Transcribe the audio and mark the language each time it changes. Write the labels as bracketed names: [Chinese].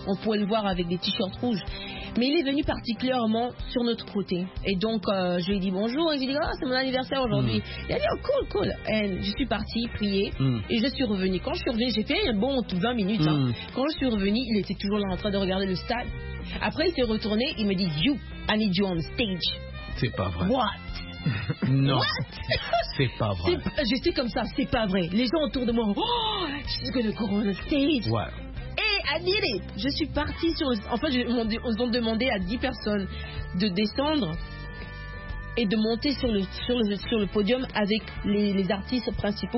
[French] On pouvait le voir avec des t-shirts rouges. Mais il est venu particulièrement sur notre côté. Et donc, je lui ai dit bonjour. Et je lui ai dit, c'est mon anniversaire aujourd'hui. Il a dit, oh, cool, cool. Et je suis partie prier. Et je suis revenue. Quand je suis revenue, j'ai fait un bon 20 minutes. Quand je suis revenue, il était toujours là en train de regarder le stade. Après, il s'est retourné. Il me dit, [English] you, I need you on stage. [French] C'est pas vrai. [English] What? [French] Non. [English] What? [French] C'est pas vrai. Je suis comme ça, c'est pas vrai. Les gens autour de moi, je suis [English] gonna go on stage. [French] Ouais. [English] I did it. [French] Je suis partie sur... En fait, on nous a demandé à 10 personnes de descendre et de monter sur le podium avec les artistes principaux.